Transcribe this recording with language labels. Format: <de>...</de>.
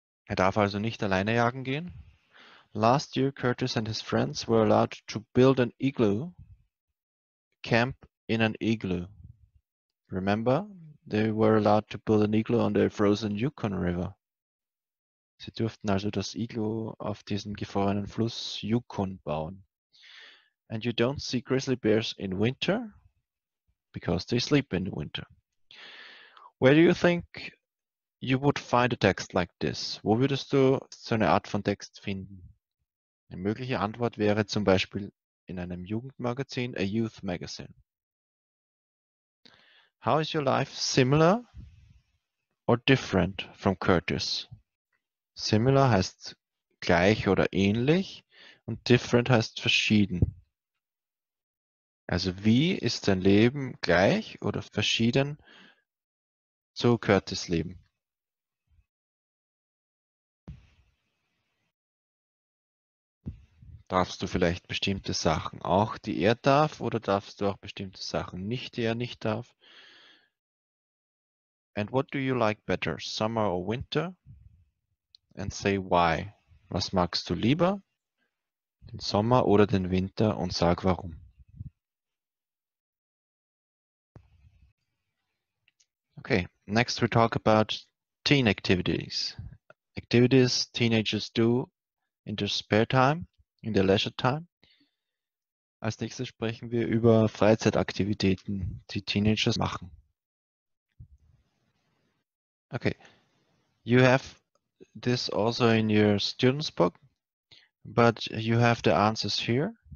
<de>Er darf also nicht alleine jagen gehen.</de> <en>Last year, Curtis and his friends were allowed to build an igloo, camp in an igloo. Remember, they were allowed to build an igloo on the frozen Yukon River.</en> <de>Sie durften also das Iglo auf diesem gefrorenen Fluss Yukon bauen.</de> <en>And you don't see grizzly bears in winter, because they sleep in the winter. Where do you think you would find a text like this?</en> <de>Wo würdest du so eine Art von Text finden? Eine mögliche Antwort wäre zum Beispiel in einem Jugendmagazin,</de> <en>a youth magazine. How is your life similar or different from Curtis?</en> <de>Similar heißt gleich oder ähnlich und different heißt verschieden. Also wie ist dein Leben gleich oder verschieden zu Curtis Leben? Darfst du vielleicht bestimmte Sachen auch, die er darf, oder darfst du auch bestimmte Sachen nicht, die er nicht darf?</de> <en>And what do you like better, summer or winter? And say why.</en> <de>Was magst du lieber, den Sommer oder den Winter, und sag warum.</de> <en>Okay, next we talk about teen activities. Activities teenagers do in their spare time, in their leisure time.</en> <de>Als nächstes sprechen wir über Freizeitaktivitäten, die Teenagers machen.</de> <en>Okay, you have this also in your student's book, but you have the answers here.</en>